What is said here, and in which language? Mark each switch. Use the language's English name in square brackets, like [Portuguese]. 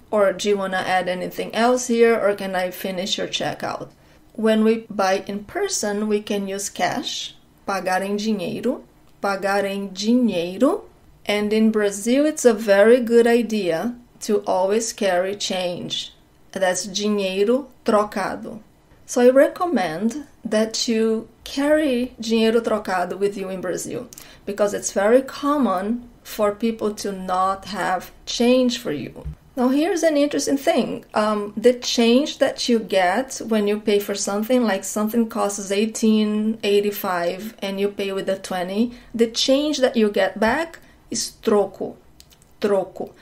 [English] Or do you want to add anything else here? Or can I finish your checkout? When we buy in person, we can use cash. [Portuguese] Pagar em dinheiro. Pagar em dinheiro. [English] And in Brazil, it's a very good idea to always carry change. That's dinheiro trocado. So I recommend that you carry dinheiro trocado with you in Brazil, because it's very common for people to not have change for you. Now, here's an interesting thing. The change that you get when you pay for something, like something costs $18.85 and you pay with a 20, the change that you get back is troco, troco.